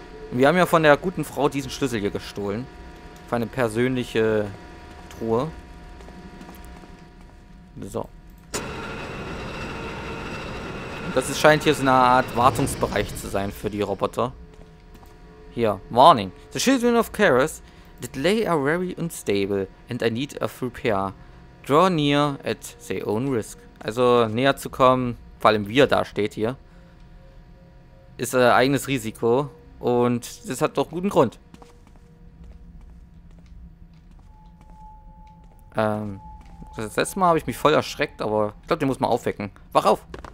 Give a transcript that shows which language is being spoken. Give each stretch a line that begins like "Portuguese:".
German: Und wir haben ja von der guten Frau diesen Schlüssel hier gestohlen. Für eine persönliche Truhe. So. Das scheint hier so eine Art Wartungsbereich zu sein für die Roboter. Hier. Warning.
English: The children of Karas, the delay are very unstable and I need a repair. Draw near at their own risk.
German: Also näher zu kommen, vor allem wir da steht hier, ist ein eigenes Risiko und das hat doch guten Grund. Das letzte Mal habe ich mich voll erschreckt, aber ich glaube, den muss man aufwecken. Wach auf!